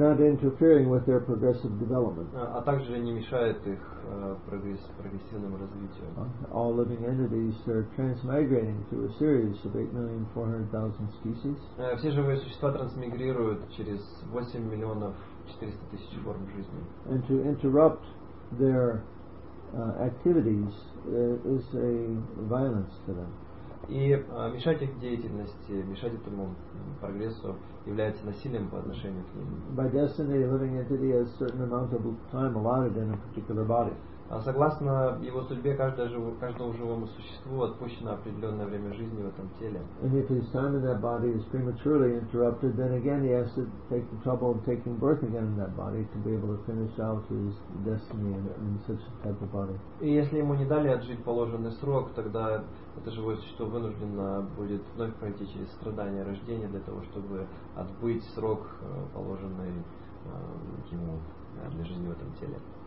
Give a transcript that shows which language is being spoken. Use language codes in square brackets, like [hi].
[en] And not interfering with their progressive development. [ru] А также не мешает их прогрессивному развитию. [en] All living entities are transmigrating through a series of 8,400,000 species. [ru] Все живые существа трансмигрируют через 8 миллионов 400 тысяч форм жизни. [en] And to interrupt their activities is a violence to them. [ru] И мешать их деятельности, мешать этому прогрессу является насилием по отношению к ним. [en] By destiny, a living entity has certain amount of time allotted in a particular body. [ru] Согласно его судьбе, каждому живому существу отпущено определенное время жизни в этом теле. [en] And if his time in that body is prematurely interrupted, then again he has to take the trouble of taking birth again in that body to be able to finish out his destiny in such a type of body. [ru] И если ему не дали отжить положенный срок, тогда это живое существо вынуждено будет вновь пройти через страдания рождения для того, чтобы отбыть срок, положенный ему для жизни в этом теле.